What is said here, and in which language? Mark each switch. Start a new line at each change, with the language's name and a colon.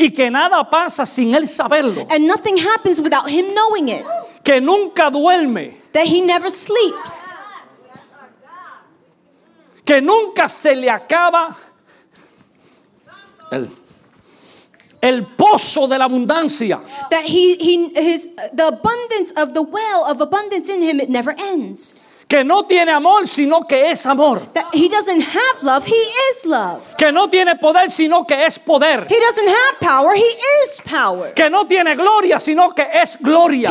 Spanish: Y que nada pasa sin él saberlo.
English: And nothing happens without him knowing it.
Spanish: Que nunca duerme.
English: That he never sleeps.
Spanish: Que nunca se le acaba el pozo de la abundancia.
English: That his the abundance of the well of abundance in him, it never ends.
Spanish: Que no tiene amor, sino que es amor.
English: That he doesn't have love, he is love.
Spanish: Que no tiene poder, sino que es poder.
English: He doesn't have power, he is power.
Spanish: Que no tiene gloria, sino que es gloria.